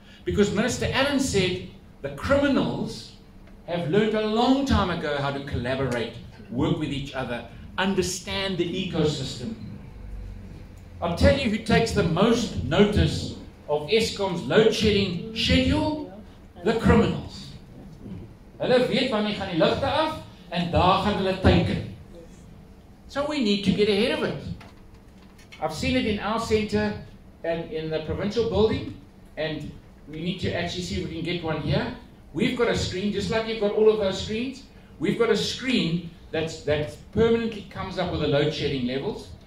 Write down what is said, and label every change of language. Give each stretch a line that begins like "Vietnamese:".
English: Because Minister Allen said the criminals have learned a long time ago how to collaborate, work with each other, understand the ecosystem. I'll tell you who takes the most notice of Eskom's load shedding schedule: the criminals.
Afrikaans: Hulle weet wanneer gaan die ligte af en daar gaan hulle teken.
English: So we need to get ahead of it. I've seen it in our center and in the provincial building, and we need to actually see if we can get one here. We've got a screen, just like you've got all of those screens. We've got a screen that permanently comes up with the load shedding levels.